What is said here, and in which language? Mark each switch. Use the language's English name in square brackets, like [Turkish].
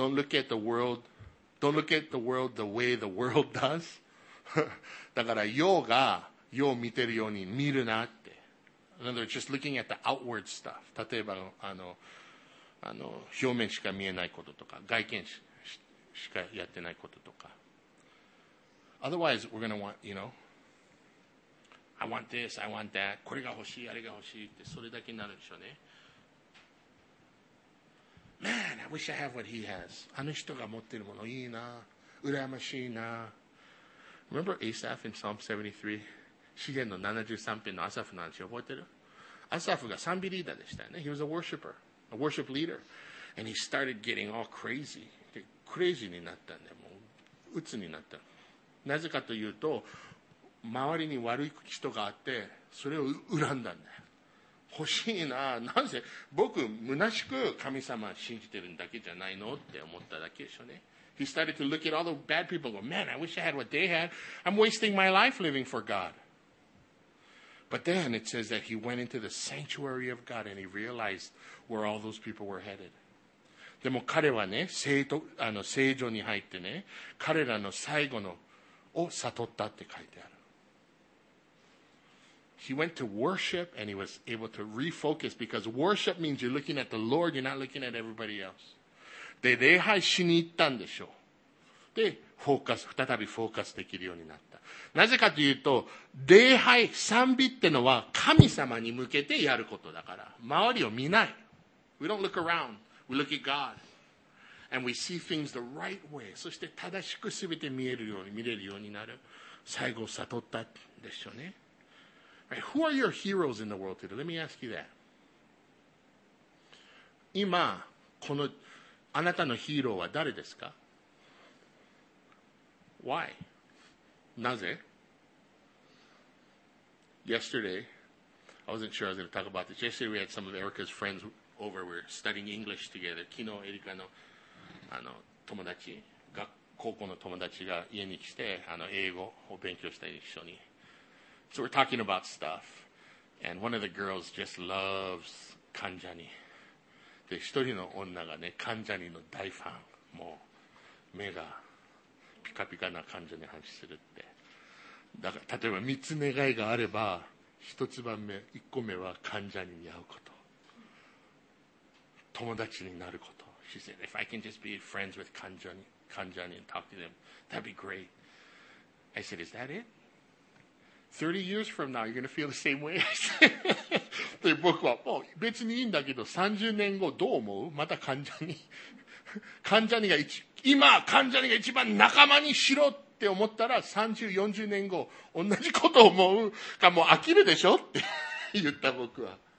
[English] Don't look at the world the way the world does. [Japanese] だから世が世を見てるように見るなって。 [English] In other words, just looking at the outward stuff. [Japanese] 例えばあの表面しか見えないこととか、外見しかやってないこととか。 [English] Otherwise, we're going to want, you know, I want this, I want that. [Japanese] これが欲しい、あれが欲しいって、それだけになるでしょうね。 [English] Man, I wish I have what he has. [Japanese] あの人が持ってるものいいな、羨ましいな。 [English] Remember Asaph in Psalm 73? [Japanese] 詩篇の73篇のアサフの話覚えてる？アサフが賛美リーダーでしたよね。 [English] He was a worshipper, a worship leader. And he started getting all crazy. [Japanese] で、クレイジーになったんだよ。もう、鬱になった。なぜかというと、周りに悪い人があって、それを恨んだんだよ。欲しいな、なぜ僕虚しく神様信じてるんだけじゃないのって思っただけでしょうね。 [English] He started to look at all the bad people and go, man, I wish I had what they had. I'm wasting my life living for God. But then it says that he went into the sanctuary of God and he realized where all those people were headed. [Japanese] でも彼はね、聖所に入ってね、彼らの最後のを悟ったって書いてある。 [English] He went to worship and he was able to refocus because worship means you're looking at the Lord, you're not looking at everybody else. [Japanese] で、礼拝しに行ったんでしょう。で、再びフォーカスできるようになった。なぜかというと、礼拝、賛美ってのは神様に向けてやることだから、周りを見ない。 [English] We don't look around, we look at God. And we see things the right way. [Japanese] そして正しく全て見れるようになる。最後悟ったでしょうね。 Right. [English] Who are your heroes in the world today? Let me ask you that. [Japanese] 今、この、あなたのヒーローは誰ですか? [English] Why? [Japanese] なぜ? [English] Yesterday, I wasn't sure I was going to talk about this. Yesterday we had some of Erica's friends over. We were studying English together. [Japanese] 昨日、エリカの、友達が、高校の友達が家に来て、英語を勉強したり一緒に。 [English] So we're talking about stuff, and one of the girls just loves Kanjani. [Japanese] で、一人の女がね、Kanjaniの大ファン。もう、目がピカピカなKanjaniの話するって。だから、例えば三つ願いがあれば、一つ番目、一個目はKanjaniに会うこと。友達になること。 [English] She said, if I can just be friends with Kanjaniand talk to them, that'd be great. I said, is that it? 30 years from now, you're going to feel the same way. [Japanese] で、僕は、もう別にいいんだけど、30年後どう思う? また患者に。患者にが一番仲間にしろっって思ったら30、40年後同じこと思うかもう飽きるでしょって言った僕は。